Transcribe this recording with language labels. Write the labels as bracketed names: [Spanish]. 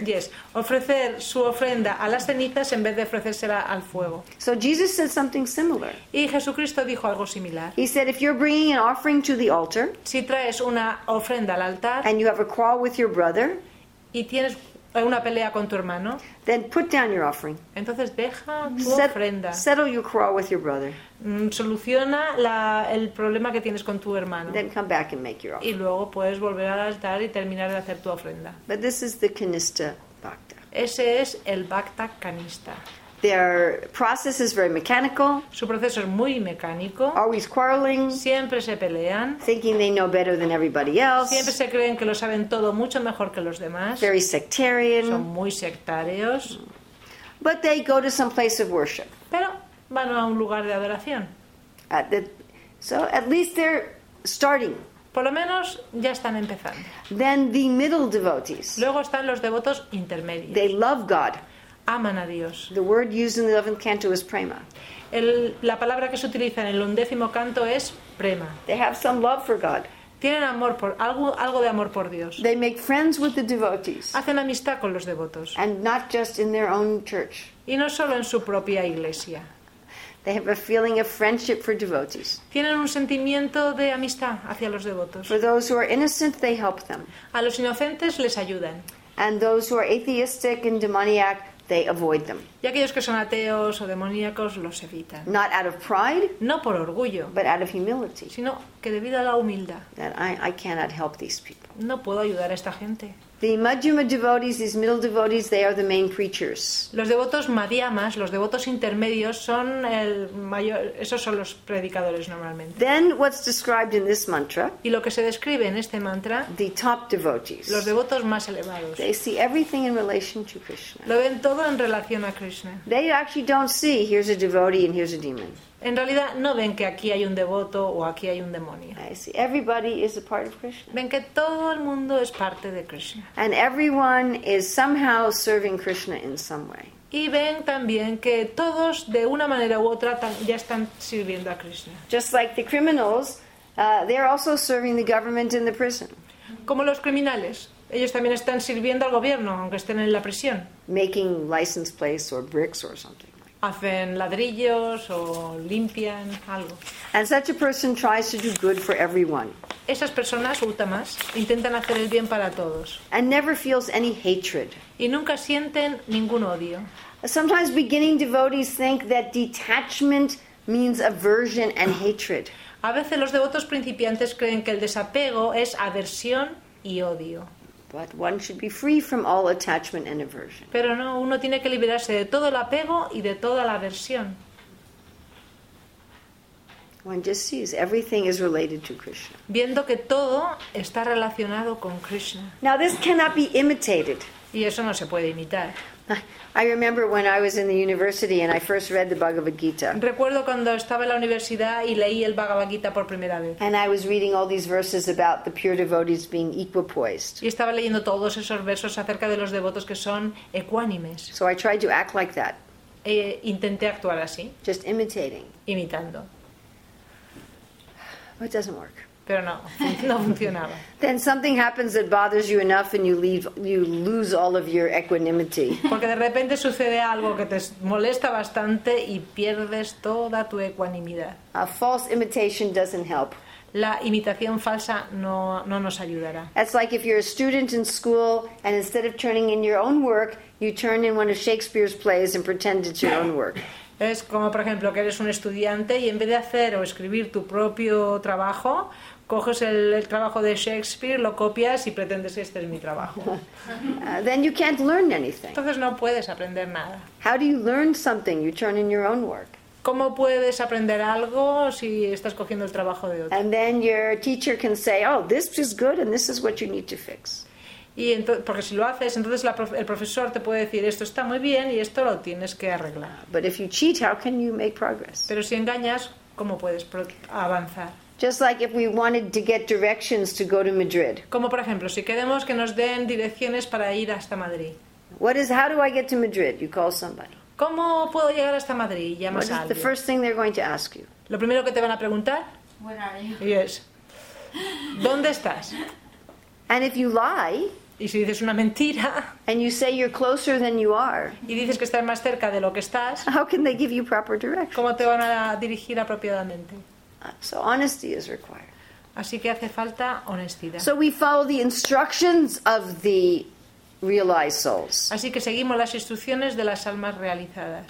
[Spanish] Yes, ofrecer su ofrenda a las cenizas en vez de ofrecérsela al fuego. [English] So Jesus said something similar. [Spanish] Y Jesucristo dijo algo similar. [English] He said, if you're bringing an offering to the altar, [Spanish] si traes una ofrenda al altar, [English] and you have a quarrel with your brother, [Spanish] y tienes una pelea con tu hermano, [English] then put down your offering. [Spanish] Entonces deja tu ofrenda. [English] Settle your quarrel with your brother. [Spanish] Soluciona el problema que tienes con tu hermano. [English] Then come back and make your offering. [Spanish] Y luego puedes volver al altar y terminar de hacer tu ofrenda. [English] But this is the Kanista Bhakta. [Spanish] Ese es el Bhakta Kanista. [English] Their process is very mechanical. [Spanish] Su proceso es muy mecánico. [English] Always quarreling. [Spanish] Siempre se pelean. [English] Thinking they know better than everybody else. [Spanish] Siempre se creen que lo saben todo mucho mejor que los demás. [English] Very sectarian. [Spanish] Son muy sectarios. [English] But they go to some place of worship. [Spanish] Pero van a un lugar de adoración. [English] So at least they're starting. [Spanish] Por lo menos ya están empezando. [English] Then the middle devotees. [Spanish] Luego están los devotos intermedios. [English] They love God. [Spanish] Aman a Dios. [English] The word used in the 11th canto is prema. [Spanish] La palabra que se utiliza en el undécimo canto es prema. [English] They have some love for God. [Spanish] Tienen amor por algo de amor por Dios. [English] They make friends with the devotees. [Spanish] Hacen amistad con los devotos. [English] And not just in their own church. [Spanish] Y no solo en su propia iglesia. [English] They have a feeling of friendship for devotees. [Spanish] Tienen un sentimiento de amistad hacia los devotos. [English] For those who are innocent, they help them. [Spanish] A los inocentes les ayudan. [English] And those who are atheistic and demoniac, they avoid them. [Spanish] Y aquellos que son ateos o demoníacos los evitan. [English] Not out of pride, [Spanish] no por orgullo, [English] but out of humility, [Spanish] sino que debido a la humildad. [English] That I cannot help these people. [Spanish] No puedo ayudar a esta gente. [English] The Madhyama devotees, these middle devotees, they are the main preachers. [Spanish] Los devotos madhyamas, los devotos intermedios, son el mayor. Esos son los predicadores normalmente. [English] Then what's described in this mantra? [Spanish] Y lo que se describe en este mantra. [English] The top devotees. [Spanish] Los devotos más elevados. [English] They see everything in relation to Krishna. [Spanish] Lo ven todo en relación a Krishna. [English] They actually don't see here's a devotee and here's a demon. [Spanish] En realidad no ven que aquí hay un devoto o aquí hay un demonio. [English] I see. Everybody is a part of Krishna. [Spanish] Ven que todo el mundo es parte de Krishna. [English] And everyone is somehow serving Krishna in some way. [Spanish] Y ven también que todos de una manera u otra ya están sirviendo a Krishna. [English] Just like the criminals, they are also serving the government in the prison. [Spanish] Como los criminales, ellos también están sirviendo al gobierno aunque estén en la prisión. [English] Making license plates or bricks or something. [Spanish] Hacen ladrillos o limpian algo. [English] And such a person tries to do good for everyone. [Spanish] Esas personas últimas intentan hacer el bien para todos. [English] And never feels any hatred. [Spanish] Y nunca sienten ningún odio. [English] Sometimes beginning devotees think that detachment means aversion and hatred. [Spanish] A veces los devotos principiantes creen que el desapego es aversión y odio. [English] But one should be free from all attachment and aversion. [Spanish] Pero no, uno tiene que liberarse de todo el apego y de toda la aversión. [English] One just sees everything is related to Krishna. [Spanish] Viendo que todo está relacionado con Krishna. [English] Now this cannot be imitated. [Spanish] Y eso no se puede imitar. [English] I remember when I was in the university and I first read the Bhagavad Gita. [Spanish] Recuerdo cuando estaba en la universidad y leí el Bhagavad Gita por primera vez. [English] And I was reading all these verses about the pure devotees being equipoised. [Spanish] Y estaba leyendo todos esos versos acerca de los devotos que son ecuánimes. [English] So I tried to act like that. [Spanish] E intenté actuar así. [English] Just imitating. [Spanish] Imitando. [English] But it doesn't work. [Spanish] Pero no, no funcionaba. [English] Then something happens that bothers you enough and you lose all of your equanimity. [Spanish] Porque de repente sucede algo que te molesta bastante y pierdes toda tu ecuanimidad. [English] A false imitation doesn't help. [Spanish] La imitación falsa no nos ayudará. [English] It's like if you're a student in school and instead of turning in your own work, you turn in one of Shakespeare's plays and pretend it's your own work. [Spanish] Es como, por ejemplo, que eres un estudiante y en vez de hacer o escribir tu propio trabajo, coges el trabajo de Shakespeare, lo copias y pretendes que este es mi trabajo. [English] Then you can't learn anything. [Spanish] Entonces no puedes aprender nada. [English] How do you learn something? You turn in your own work. [Spanish] ¿Cómo puedes aprender algo si estás cogiendo el trabajo de otro? [English] And then your teacher can say, oh, this is good and this is what you need to fix. [Spanish] Y porque si lo haces, entonces el profesor te puede decir esto está muy bien y esto lo tienes que arreglar. [English] But if you cheat, how can you make progress? [Spanish] Pero si engañas, ¿cómo puedes avanzar? [English] Just like if we wanted to get directions to go to Madrid. [Spanish] Como por ejemplo, si queremos que nos den direcciones para ir hasta Madrid. [English] What is how do I get to Madrid? You call somebody. [Spanish] ¿Cómo puedo llegar hasta Madrid? Llamas a alguien. [English] What is the first thing they're going to ask you? [Spanish] Lo primero que te van a preguntar. [English] Where are you? [Spanish] Yes. ¿Dónde estás? [English] And if you lie. [Spanish] Y si dices una mentira, [English] and you say you're closer than you are, [Spanish] y dices que estás más cerca de lo que estás, [English] how can they give you proper directions? [Spanish] ¿Cómo te van a dirigir apropiadamente? [English] So honesty is required. [Spanish] Así que hace falta honestidad. [English] So we follow the instructions of the realized souls. [Spanish] Así que seguimos las instrucciones de las almas realizadas.